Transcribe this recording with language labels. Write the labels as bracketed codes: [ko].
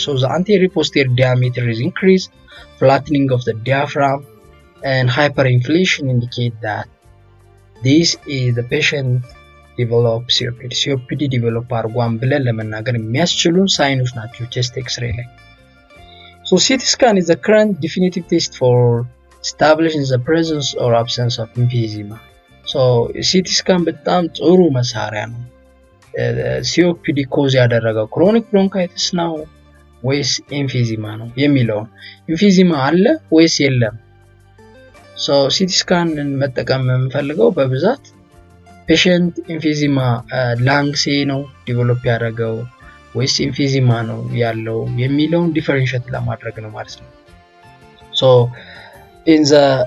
[en] So the anterior posterior diameter is increased, flattening of the diaphragm and hyperinflation indicate that this is the patient develop COPD. COPD develop [am] አርጎ አንብለን ለመናገር የሚያስችሉን ሳይኖች ናቸው [en] chest x-ray ላይ። So CT scan is the current definitive test for establishing the presence or absence of emphysema. [am] So CT scan በጣም ጥሩ መሳሪያ ነው። COPD cause ያደረገው chronic bronchitis ነው ወይስ emphysema ነው የሚለው? emphysema አለ ወይስ የለም? So CT scanን መጠቀም የምንፈልገው በብዛት patient emphysema lung say no develop ያደረገው ወይስ emphysema ነው ያለው የሚለውን differentiate ለማድረግ ነው ማለት ነው። So in the